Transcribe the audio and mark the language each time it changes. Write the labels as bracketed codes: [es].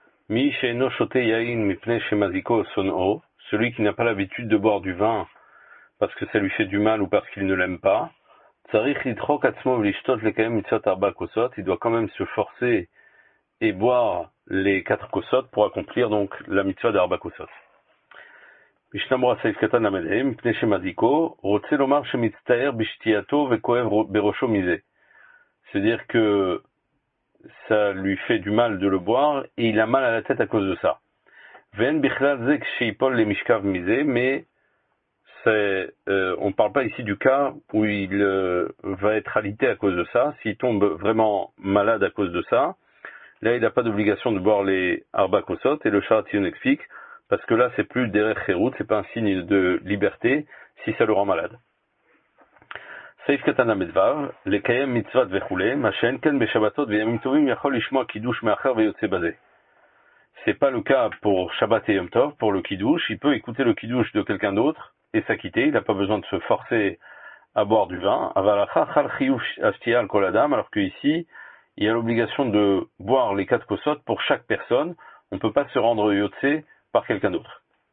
[he] מי שאינו שותה יין מפני שמזיקו או שונאו, [fr] celui qui n'a pas l'habitude de boire du vin parce que ça lui fait du mal ou parce qu'il ne l'aime pas, [he] צריך לדחוק עצמו ולשתות לקיים מצוות ארבע כוסות, [fr] il doit quand même se forcer et boire les quatre כוסות pour accomplir donc la mitzvah d'ארבע כוסות. [he] משנה ברורה סעיף קטן ל"ה, מפני שמזיקו, רוצה לומר שמצטער בשתייתו וכואב בראשו מזה. [fr] C'est-à-dire que ça lui fait du mal de le boire et il a mal à la tête à cause de ça. [he] Ven bichlal ze kshipol le mishkav mize, [fr] mais on ne parle pas ici du cas où il va être alité à cause de ça. S'il tombe vraiment malade à cause de ça, là il n'a pas d'obligation de boire les arba kosot et le charatiyon explique, parce que là c'est plus derech cherut, c'est pas un signe de liberté si ça le rend malade. [he] סעיף קטן למדבר, לקיים מצוות וכו', מה שאין כן בשבתות וימים טובים יכול לשמוע קידוש מאחר ויוצא בזה. [fr] C'est pas le cas pour Shabbat et Yom Tov, pour le kidouche, il peut écouter le kidouche de quelqu'un d'autre et s'acquitter, il n'a pas besoin de se forcer à boire du vin. Alors qu'ici, il y a l'obligation de boire les quatre kosot pour chaque personne, on ne peut pas se rendre yotse par quelqu'un d'autre.